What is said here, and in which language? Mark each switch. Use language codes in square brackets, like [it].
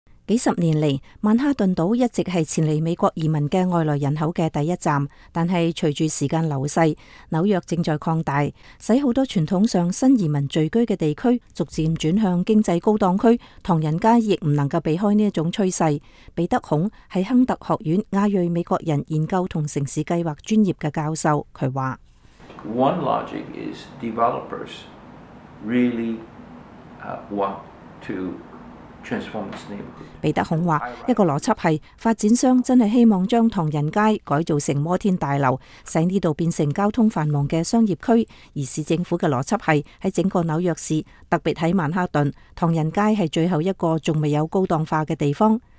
[zh] 几十年来，曼哈顿岛一直是前来美国移民的外来人口的第一站，但是随着时间流逝，纽约正在扩大，使很多传统上新移民聚居的地区逐渐转向经济高档区，唐人街亦不能够避开这种趋势。彼得孔是亨特学院亚裔美国人研究和城市计划专业的教授，他说 [en] One logic is developers really want to transform this neighborhood。 [zh] 彼得孔说，一个逻辑是发展商真的希望将唐人街改造成摩天大楼，使这里变成交通繁忙的商业区，而市政府的逻辑是在整个纽约市，特别在曼哈顿，唐人街是最后一个还未有高档化的地方。